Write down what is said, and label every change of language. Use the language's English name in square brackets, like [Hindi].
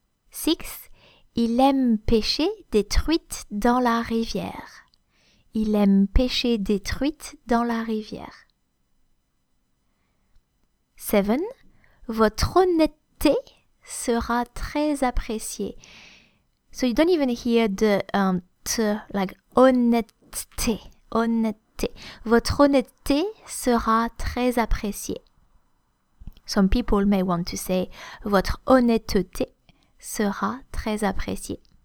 [French] 6. Il aime pêcher des truites dans la rivière. Il aime pêcher des truites dans la rivière. 7. Votre honnêteté sera très appréciée. [English] So you don't even hear the like honnêteté. [French] Honnêteté. Votre honnêteté sera très appréciée. [English] Some people may want to say [French] votre honnêteté sera très appréciée.